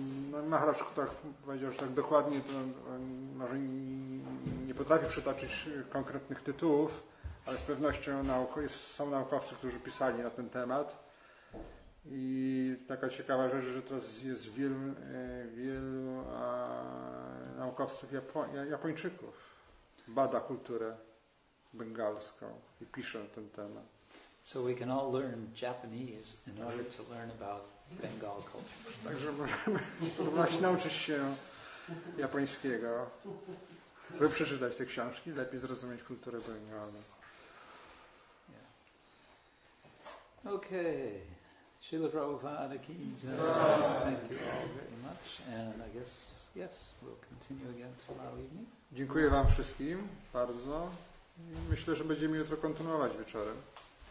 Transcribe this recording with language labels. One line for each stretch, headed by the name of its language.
Polish: No Maharaj tak powiedział, że tak dokładnie to może nie potrafił przytoczyć konkretnych tytułów, ale z pewnością są naukowcy, którzy pisali na ten temat. I taka ciekawa rzecz, że teraz jest wielu naukowców Japończyków bada kulturę bengalską i pisze na ten temat.
English: So we can all learn Japanese in order to learn about Bengal culture.
Polish: Także możemy nauczyć się japońskiego, by przeczytać te książki, lepiej zrozumieć kulturę bengalską.
English: Okay. Srila Prabhupada ki jai. Thank you all very much. And I guess, yes, we'll continue again tomorrow evening.
Polish: Dziękuję wam wszystkim bardzo. Myślę, że będziemy jutro kontynuować wieczorem.